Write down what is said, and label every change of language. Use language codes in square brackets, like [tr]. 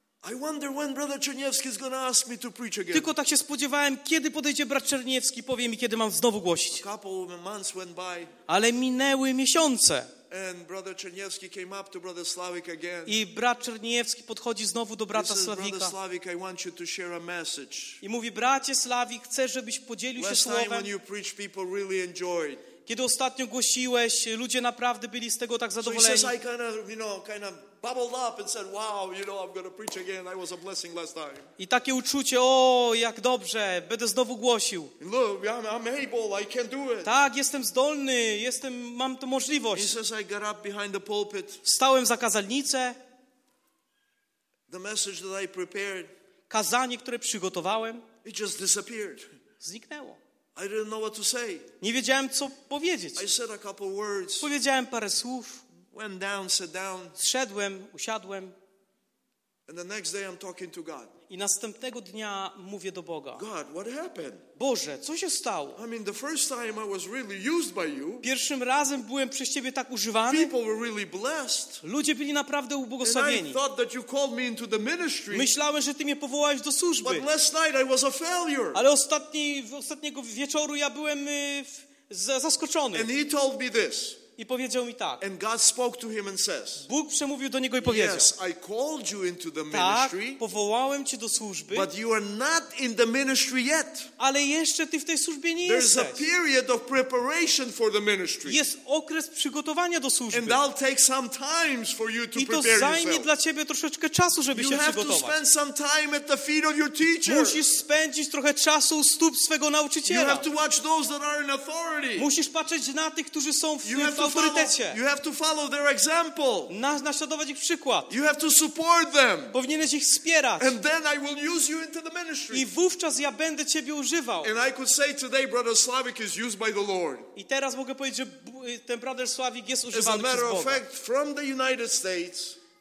[en] I wonder when brother Czerniewski is gonna ask me to preach again. [pl] Tylko tak się spodziewałem, kiedy podejdzie brat Czerniewski, powie mi, kiedy mam znowu głosić. [en] A couple of months went by. [pl] Ale minęły miesiące. [en] And brother Czerniewski came up to brother Slavik again. [pl] I brat Czerniewski podchodzi znowu do brata Sławika. [en] Brother Slavik, I want you to share a message. [pl] I mówi, bracie Slavik, chcę, żebyś podzielił się słowem. [en] Last time when you preached, people really enjoyed. [pl] Kiedy ostatnio głosiłeś, ludzie naprawdę byli z tego tak zadowoleni. [en] So he says, I kind of bubbled up and said, wow, you know, I'm going to preach again. I was a blessing last time. [pl] I takie uczucie, o, jak dobrze, będę znowu głosił. [en] Look, I'm able, I can do it. [pl] Tak, jestem zdolny, jestem, mam tę możliwość. [en] He says, I got up behind the pulpit. [pl] Stałem za kazalnicę. [en] The message that I prepared. [pl] Kazanie, które przygotowałem. [en] It just disappeared. [pl] Zniknęło. [en] I didn't know what to say. [pl] Nie wiedziałem, co powiedzieć. [en] I said a couple words. [pl] Powiedziałem parę słów. [en] Went down, sat down. [pl] Zszedłem, usiadłem. [en] And the next day I'm talking to God. [pl] I następnego dnia mówię do Boga. [en] God, what happened? [pl] Boże, co się stało? [en] I mean, the first time I was really used by you. [pl] Pierwszym razem byłem przez Ciebie tak używany. [en] People were really blessed. [pl] Ludzie byli naprawdę ubłogosławieni. [en] And I thought that you called me into the ministry. [pl] Myślałem, że Ty mnie powołałeś do służby. [en] But last night I was a failure. [pl] Ale ostatniego wieczoru ja byłem zaskoczony. [en] And he told me this. [pl] I powiedział mi tak. [en] And God spoke to him and says, [pl] Bóg przemówił do niego i powiedział. [en] Yes, I called you into the ministry, [pl] tak, powołałem cię do służby. [en] But you are not in the ministry yet. [pl] Ale jeszcze ty w tej służbie nie [en] There's [pl] jesteś. [en] A period of preparation for the ministry. [pl] Jest okres przygotowania do służby. [en] And that'll take some time for you to [pl] I to [en] prepare [pl] zajmie [en] yourself. [pl] Dla ciebie troszeczkę czasu, żeby [en] you [pl] się [en] have [pl] przygotować. [en] To spend some time at the feet of your teacher. [pl] Musisz spędzić trochę czasu u stóp swego nauczyciela. [en] You have to watch those that are in authority. [pl] Musisz patrzeć na tych, którzy są w [en] You have to follow their example. [pl] Naśladować ich przykład. [en] You have to support them. [pl] Powinieneś ich wspierać. [en] And then I will use you into the ministry. [pl] I wówczas ja będę ciebie używał. [en] And I could say today, brother Slavik is used by the Lord. [pl] I teraz mogę powiedzieć, że ten brother Slavik jest używany przez Boga. [en] As a matter of fact, from the United States.